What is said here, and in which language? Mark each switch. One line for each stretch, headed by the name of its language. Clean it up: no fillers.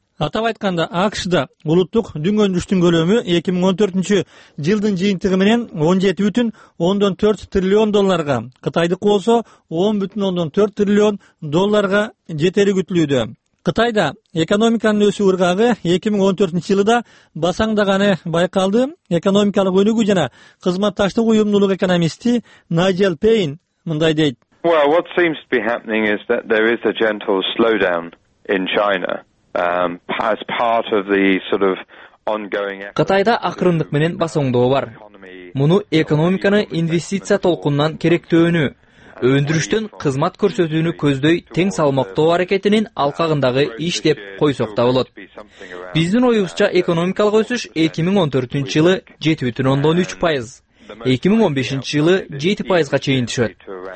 Kyrgyz: Атап айтканда АКШда улуттук дүңгөндүрүштүн көлөмү 2014 жылдын жыйынтыгы менен 17.4 триллион долларга, Кытайдыкы болсо 10.4 триллион долларга жетери күтүлүүдө. Кытайда экономиканын өсүү ыргагы 2014 жылы да басаңдаганы байкалды. Экономикалык өнүгүү жана кызматташтык уюмдуулук экономисти Найджел Пейн мындай дейт.
English: Well, what seems to be happening is that there is a gentle slowdown in China. As part of the sort of ongoing effort.
Kyrgyz: Кытайда акырындык менен басаңдоо бар. Муну экономиканы инвестиция толкунунан керектөөнү, өндүрүштөн кызмат көрсөтүүнү көздөй тең салмактоо аракетинин алкагындагы иш деп койсок да болот. Биздин оюбузча экономикалык өсүш 2014 жылы 7.3%, 2015 жылы 7%га чейин түшөт.